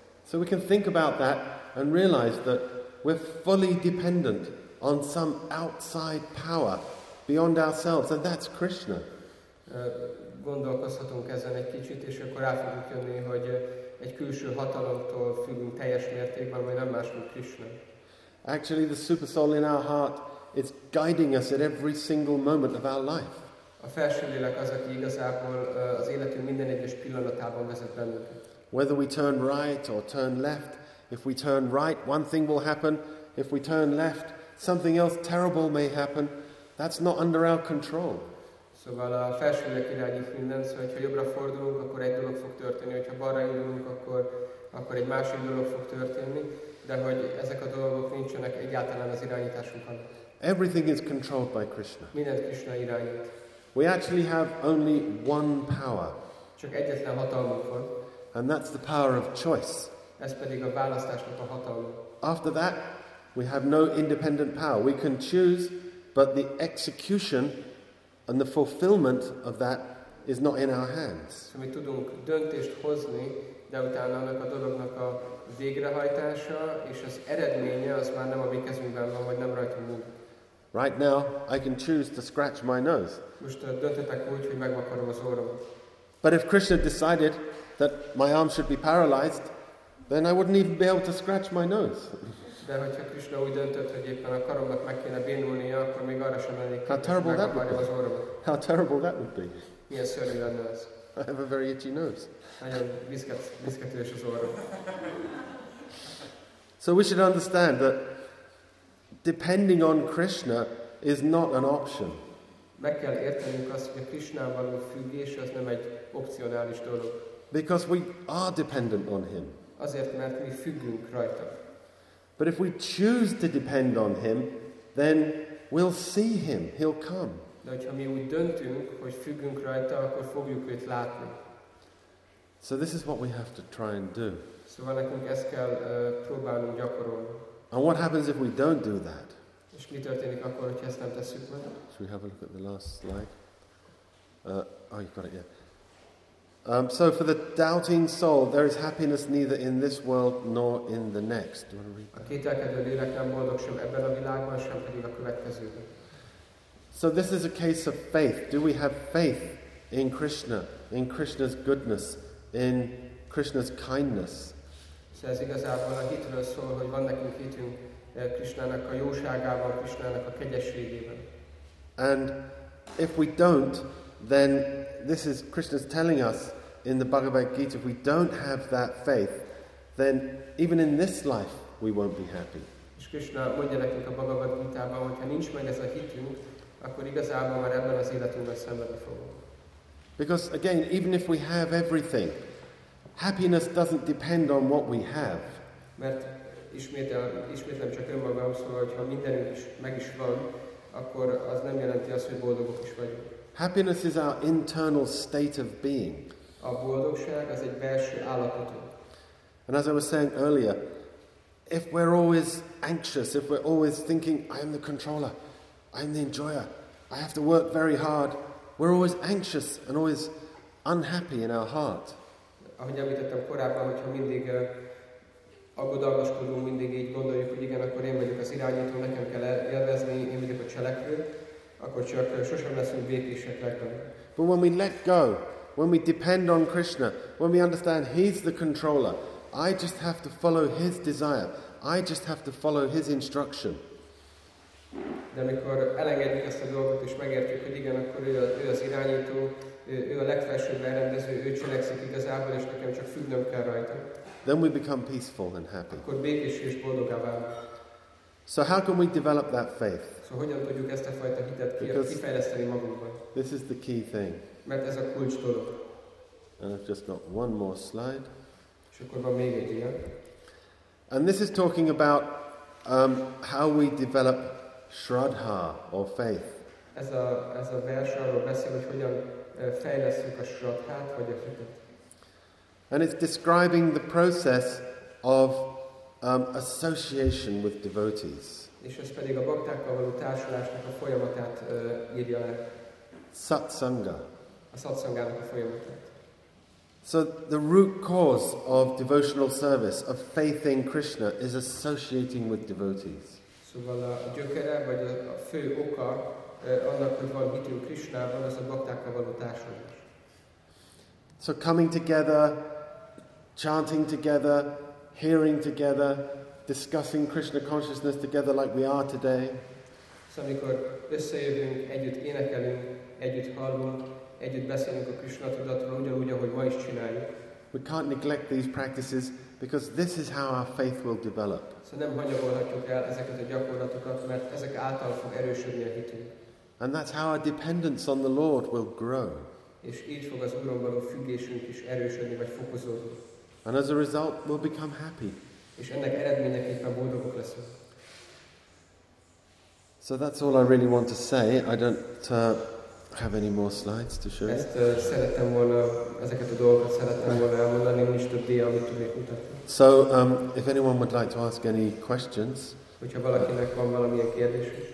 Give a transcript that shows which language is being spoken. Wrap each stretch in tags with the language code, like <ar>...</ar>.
<en>So we can think about that and realize that we're fully dependent on some outside power beyond ourselves, and that's Krishna.</en> <hu>Gondolkozhatunk ezen egy kicsit, és akkor rá fogunk jönni, hogy egy külső hatalomtól függünk teljes mértékben, vagy nem más, mint Krishna.</hu> <en>Actually, the super soul in our heart is guiding us at every single moment of our life.</en> <hu>A felső lélek az, aki igazából az életünk minden egyes pillanatában vezet bennünket.</hu> <en>Whether we turn right or turn left, if we turn right, one thing will happen. If we turn left, something else terrible may happen. That's not under our control.</en> <hu>Szóval a felsőnek irányít minden, szóval ha jobbra fordulunk, akkor egy dolog fog történni, ha balra indulunk, akkor egy másik dolog fog történni, de hogy ezek a dolgok nincsenek egyáltalán az irányításunkban.</hu> <en>Everything is controlled by Krishna.</en> <hu>Mindent Krishna irányít.</hu> <en>We actually have only one power.</en> <hu>Csak egyetlen hatalmunk van.</hu> <en>And that's the power of choice.</en> <hu>Ez pedig a választásnak a hatalma.</hu> <en>After that, we have no independent power. We can choose, but the execution and the fulfillment of that is not in our hands.</en> <hu>So mi tudunk döntést hozni, de utána annak a dolognak a végrehajtása és az eredménye az már nem a mi kezünkben van, vagy nem rajtunk múlik.</hu> <en>Right now, I can choose to scratch my nose.</en> <hu>Most döntetek úgy, hogy megvakarom az orrom.</hu> <en>But if Krishna decided that my arm should be paralyzed, then I wouldn't even be able to scratch my nose.</en> <hu>De hogyha Krishna úgy döntött, hogy éppen a karomnak meg kéne bénulnia, akkor még arra sem lennék.</hu> <en>How terrible that would be. How terrible that would be.</en> <hu>Milyen szörnyű lenne az.</hu> <en>I have a very itchy nose.</en> <hu>Nagyon viszketős az orrom.</hu> <en>So we should understand that depending on Krishna is not an option.</en> <hu>Meg kell értenünk azt, hogy a Krishnával való függés az nem egy opcionális dolog.</hu> <en>Because we are dependent on him.</en> <hu>Azért, mert mi függünk rajta.</hu> <en>But if we choose to depend on him, then we'll see him. He'll come.</en> <hu>De hogyha mi úgy döntünk, hogy függünk rajta, akkor fogjuk őt látni.</hu> <en>So this is what we have to try and do.</en> <hu>Szóval nekünk ezt kell próbálnunk gyakorolni.</hu> <en>And what happens if we don't do that?</en> <hu>És mi történik akkor, hogyha ezt nem tesszük meg?</hu> <en>Should we have a look at the last slide? You got it, yeah. So for the doubting soul, there is happiness neither in this world nor in the next. Do you want to read that?</en> <hu>A kételkedő lélek nem boldog sem ebben a világban, sem pedig a következőben.</hu> <en>So this is a case of faith. Do we have faith in Krishna, in Krishna's goodness, in Krishna's kindness?</en> <hu>So ez igazából a hitről szól, hogy van nekünk hitünk Krishnának a jóságában, Krishnának a kegyességében.</hu> <en>And if we don't, then this is Krishna's telling us in the Bhagavad Gita, if we don't have that faith, then even in this life we won't be happy.</en> <hu>És Krishna mondja nekünk a Bhagavad Gita-ban, hogy ha nincs meg ez a hitünk, akkor igazából már ebben az életünkben szenvedni fogunk.</hu> <en>Because again, even if we have everything, happiness doesn't depend on what we have.</en> <hu>Mert ismétlem csak önmagam, szóval, hogyha mindenünk is meg is van, akkor az nem jelenti azt, hogy boldogok is vagyunk.</hu> <en>Happiness is our internal state of being.</en> <hu>A boldogság az egy belső állapotunk.</hu> <en>And as I was saying earlier, if we're always anxious, if we're always thinking, I am the controller, I am the enjoyer, I have to work very hard, we're always anxious and always unhappy in our heart.</en> <hu>Ahogy említettem korábban, hogyha mindig aggodalmaskodunk mindig, így gondoljuk, hogy igen, akkor én vagyok az irányító, nekem kell élvezni, én vagyok a cselekvő, akkor csak sosem leszünk békések legben.</hu> <en>But when we let go, when we depend on Krishna, when we understand he's the controller, I just have to follow his desire, I just have to follow his instruction.</en> <hu>De amikor elengedjük ezt a dolgot és megértjük, hogy igen, akkor ő az irányító, ő a legfelsőbb elrendező, ő cselekszik igazából, és nekem csak függnöm kell rajta.</hu> <en>Then we become peaceful and happy.</en> <hu>Akkor békés és boldogá válunk.</hu> <en>So how can we develop that faith?</en> <hu>So hogyan tudjuk ezt a fajta hitet kifejleszteni magunkban?</hu> <en>This is the key thing.</en> <hu>Mert ez a kulcs dolog.</hu> <en>And I've just got one more slide.</en> <hu>És akkor van még egy ilyen.</hu> <en>And this is talking about how we develop Shraddha or faith.</en> <hu>Ez a vers arról beszél, hogy hogyan fejlesztjük a Shraddhát vagy a hitet.</hu> <en>And it's describing the process of association with devotees.</en> <hu>És ez pedig a baktákkal való társulásnak a folyamatát írja le.</hu> <en>Satsanga.</en> <hu>A satsangának a folyamatát.</hu> <en>So the root cause of devotional service, of faith in Krishna, is associating with devotees.</en> <hu>Szóval a gyökere, vagy a fő oka annak, hogy van hitünk Krishnában, az a baktákkal való társulás.</hu> <en>So coming together, chanting together, hearing together, discussing Krishna consciousness together like we are today.</en> <hu>So amikor összejövünk, együtt énekelünk, együtt hallunk, együtt beszélünk a Krishna tudatról, ugyanúgy, ahogy ma is csináljuk.</hu> <en>We can't neglect these practices because this is how our faith will develop.</en> <hu>So nem hanyagolhatjuk el ezeket a gyakorlatokat, mert ezek által fog erősödni a hitünk.</hu> <en>And that's how our dependence on the Lord will grow.</en> <hu>És így fog az Úrral való függésünk is erősödni, vagy fokozódni.</hu> <en>And as a result, we'll become happy.</en> <hu>És ennek eredményeképpen boldogok leszünk.</hu> <en>So that's all I really want to say. I don't have any more slides to show.</en> <hu>Ezt szerettem volna, ezeket a dolgokat szerettem volna elmondani, nincs több díja, amit tudnék mutatni.</hu> <en>So, if anyone would like to ask any questions.</en> <hu>Hogyha valakinek van valamilyen kérdés.</hu>